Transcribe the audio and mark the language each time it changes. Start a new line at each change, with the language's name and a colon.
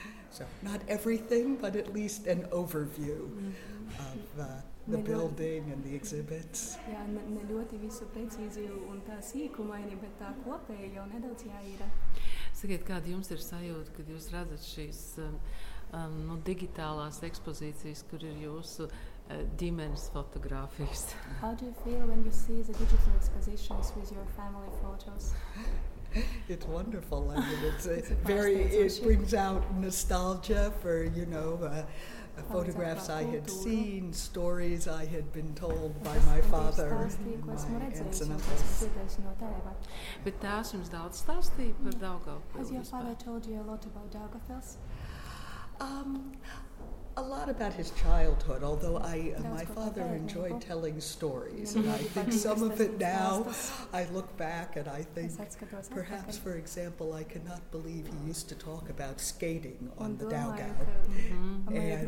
English: So, not everything, but at least an overview of the building and the exhibits.
Latvian: Yeah, ne ļoti visu precīzi un tā sīkumaini, bet tā kopēja jau nedaudz jāīra. Sakiet, kāda jums ir sajūta, kad jūs redzat šīs nu, digitālās ekspozīcijas, kur ir jūsu ģimenes fotogrāfijas?
English: How do you feel when you see the digital expositions with your family photos? It's wonderful. I mean, it brings out nostalgia for, you know, photographs I had seen, stories I had been told by my father, my aunts and uncles.
Latvian: But tās jums daudz stāstīja par Daugavpils?
English: Has your father told you a lot about Daugavpils? A lot about his childhood, although my father enjoyed telling stories, and I think some of it now, I look back and I think, perhaps, for example, I cannot believe he used to talk about skating on the Daugav.